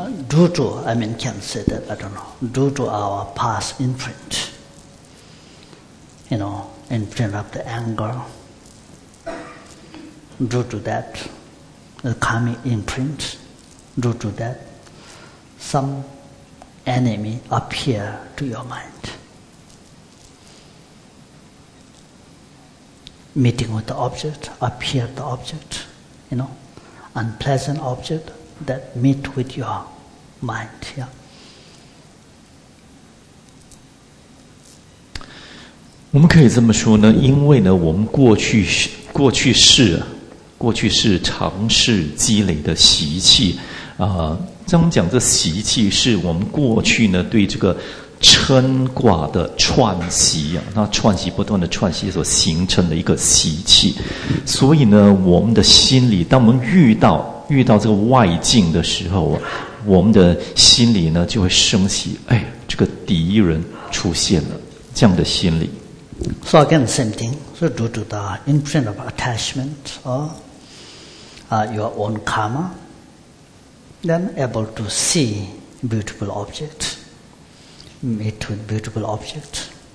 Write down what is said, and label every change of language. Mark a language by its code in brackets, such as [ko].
[en] Due to our past imprint, you know, imprint of the anger, due to that, the karmic imprint, due to that, some enemy appear to your mind. Meeting with the object, appear the object, you know, unpleasant object,that meet with your mind, yeah. [zh] 我们可以这么说呢，因为呢，我们过去世常是积累的习气，像我们讲这习气是我们过去呢对这个嗔挂的串习啊，那串习不断的串习所形成的一个习气，所以呢，我们的心里，当我们遇到这个外境的时候，我们的心里呢就会升起，哎，这个敌人出现了，这样的心理。 [en] So again, same thing. So due to the imprint of attachment or your own karma, then able to see beautiful object, meet with beautiful object.